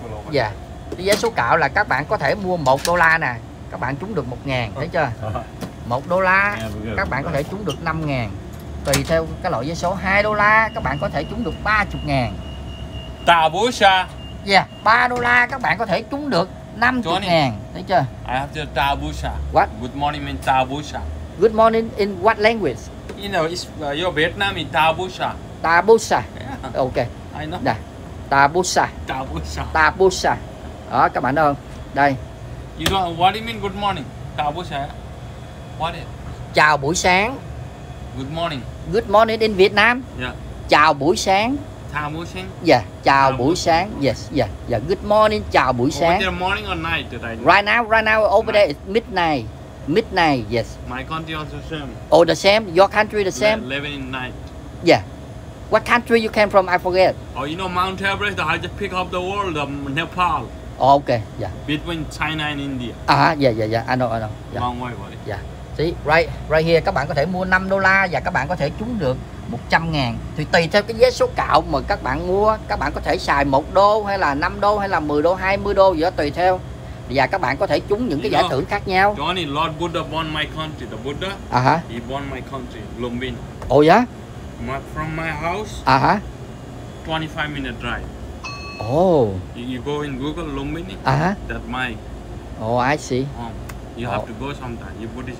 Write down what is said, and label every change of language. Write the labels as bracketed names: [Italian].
[Vietnamese] Dạ, vé số cạo là các bạn có thể mua $1 nè, các bạn trúng được 1 ngàn, thấy chưa? $1 các bạn có thể trúng được 5 ngàn, tùy theo cái loại vé số. $2 các bạn có thể trúng được 30 ngàn. Tà búa xa. Yeah, $3 các bạn có thể trúng được 50 ngàn, thấy chưa? [English] I have to tell Busha. What? Good morning in Tà Busha. Good morning in what language? You know, it's your Vietnam in Tà Busha. Tà Busha. Yeah. Okay. I know. Tà Busha. Tà Busha. [Vietnamese] Tà Busha. Đó các bạn thấy không? Đây. [English] You don't, what do you mean good morning? [Vietnamese] Chào buổi sáng. What is? Chào buổi sáng. [English] Good morning. Good morning in Vietnam. Yeah. [Vietnamese] Chào buổi sáng. Chào buổi sáng. Yeah. Chào buổi sáng. Yes. Yeah. Yeah. Good morning. Chào buổi sáng. [English] Over there morning or night today? Right now over night. There midnight. Midnight. Yes. My country also same. Oh, the same. Your country the same. 11 in night. Yeah. What country you came from? I forget. Oh, you know Mount Everest, the highest peak of the world, Nepal. Oh, okay, yeah. Between China and India. Ah, yeah. I know. Yeah. Long way, buddy. Yeah. [Vietnamese] See, right here, các bạn có thể mua $5 và các bạn có thể trúng được 100,000. Thì tùy theo cái vé số cạo mà các bạn mua, các bạn có thể xài $1 hay là $5 hay là $10, $20 gì đó tùy theo. Và các bạn có thể trúng những cái giải thưởng khác nhau. [English] Johnny, Lord Buddha born my country. The Buddha. Ah. Uh-huh. He born my country, Lumbini. Oh, yeah. From my house, uh-huh. 25 minute drive. Oh. You go in Google Lumbini, uh-huh. That my. Oh, I see. Home. You have to go sometime. You Buddhist,